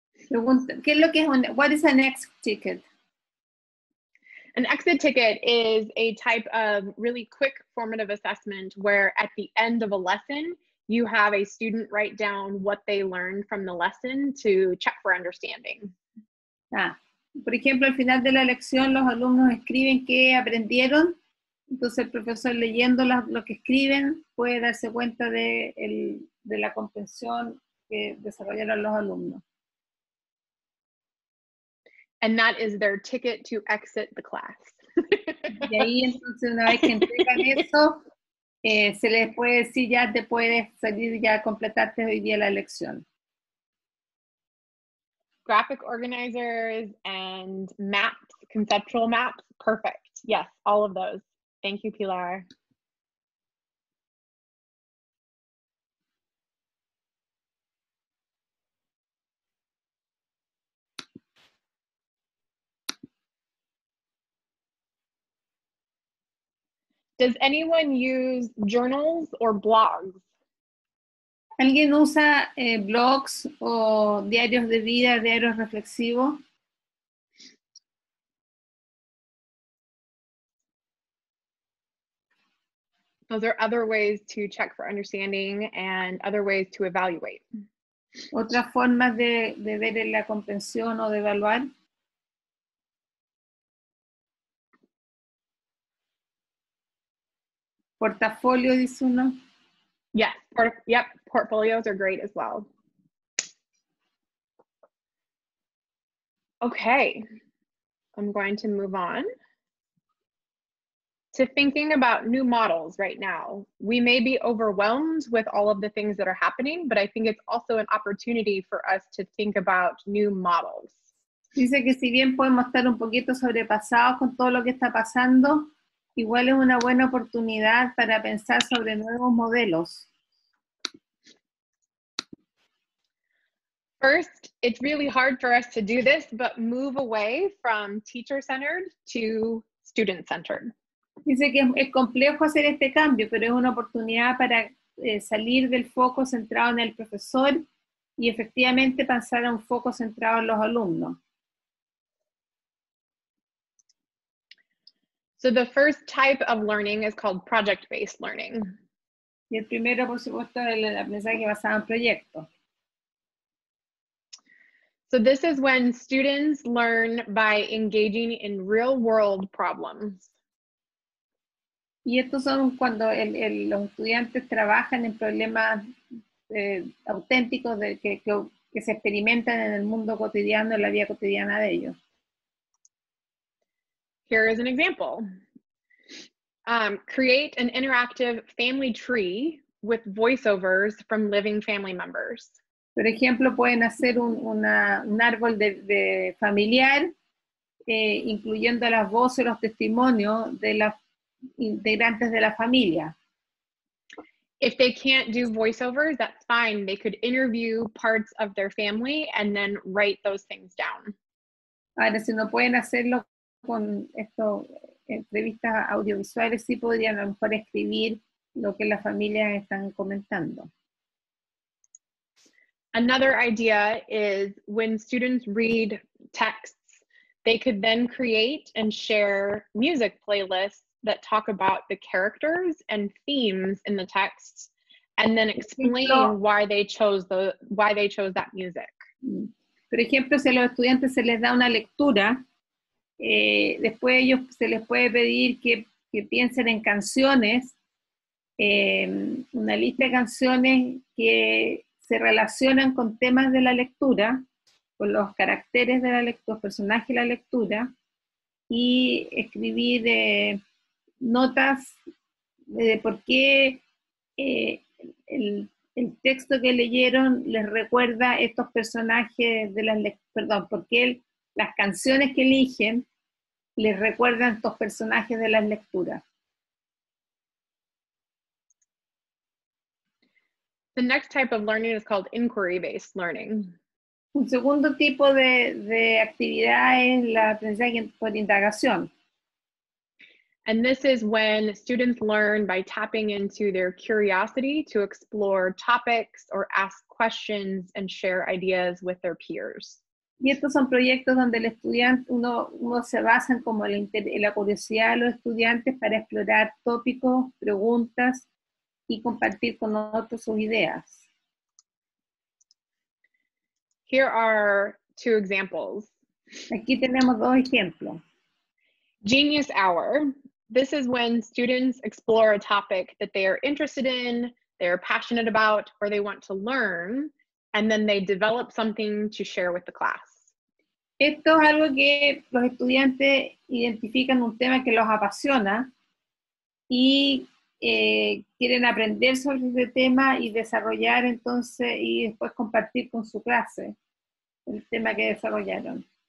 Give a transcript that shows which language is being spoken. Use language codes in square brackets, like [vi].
[en] What is an exit ticket? An exit ticket is a type of really quick formative assessment where at the end of a lesson, you have a student write down what they learned from the lesson to check for understanding. [es] Ah, por ejemplo, al final de la lección, los alumnos escriben qué aprendieron. Entonces, el profesor, leyendo lo que escriben, puede darse cuenta de la comprensión que desarrollaron los alumnos. [en] And that is their ticket to exit the class. [es] Y ahí, entonces, una vez que entregan eso, se les puede decir, ya te puedes salir, ya completaste hoy día la lección. [en] Graphic organizers and maps, conceptual maps, perfect. Yes, all of those. Thank you, Pilar. Does anyone use journals or blogs? [es] ¿Alguien usa blogs o diarios de vida, diarios reflexivos? [en] Those are other ways to check for understanding and other ways to evaluate. [es] Otras formas de ver la comprensión o de evaluar. Portafolio, dice uno. [en] Yes, yep, portfolios are great as well. Okay, I'm going to move on to thinking about new models right now. We may be overwhelmed with all of the things that are happening, but I think it's also an opportunity for us to think about new models. [es] Dice que si bien podemos estar un poquito sobrepasados con todo lo que está pasando, igual es una buena oportunidad para pensar sobre nuevos modelos. [en] First, it's really hard for us to do this, but move away from teacher-centered to student-centered. [es] Dice que es complejo hacer este cambio, pero es una oportunidad para salir del foco centrado en el profesor y efectivamente pasar a un foco centrado en los alumnos. [en] So the first type of learning is called project-based learning. [es] Y el primero, por supuesto, es el aprendizaje basado en proyectos. [en] So this is when students learn by engaging in real-world problems. [es] Y estos son cuando los estudiantes trabajan en problemas auténticos que se experimentan en el mundo cotidiano, en la vida cotidiana de ellos. [en] Here is an example. Create an interactive family tree with voiceovers from living family members. [es] Por ejemplo, pueden hacer un árbol de familiar, incluyendo las voces, los testimonios de las integrantes de la familia. [en] If they can't do voiceovers, that's fine. They could interview parts of their family and then write those things down. [es] Ahora, si no pueden hacerlo con esto, entrevistas audiovisuales, sí podrían a lo mejor escribir lo que las familias están comentando. [en] Another idea is when students read texts, they could then create and share music playlists that talk about the characters and themes in the texts, and then explain why they chose that music. [es] Por ejemplo, si a los estudiantes se les da una lectura, después ellos se les puede pedir que piensen en canciones, una lista de canciones que se relacionan con temas de la lectura, con los caracteres de la lectura, los personajes de la lectura, y escribir de notas de por qué el texto que leyeron les recuerda estos personajes de las perdón, por qué las canciones que eligen les recuerdan estos personajes de las lecturas. [en] The next type of learning is called inquiry-based learning. [es] Un segundo tipo de actividad es la aprendizaje por indagación. [en] And this is when students learn by tapping into their curiosity to explore topics or ask questions and share ideas with their peers. [es] Y estos son proyectos donde el estudiante, uno se basa en como la curiosidad de los estudiantes para explorar tópicos, preguntas y compartir con otros sus ideas. [en] Here are two examples. [es] Aquí tenemos dos ejemplos. [en] Genius Hour. This is when students explore a topic that they are interested in, they are passionate about, or they want to learn, and then they develop something to share with the class. [es] Esto es algo que los estudiantes identifican un tema que los apasiona y quieren aprender sobre ese tema y desarrollar entonces y después compartir con su clase el tema que desarrollaron.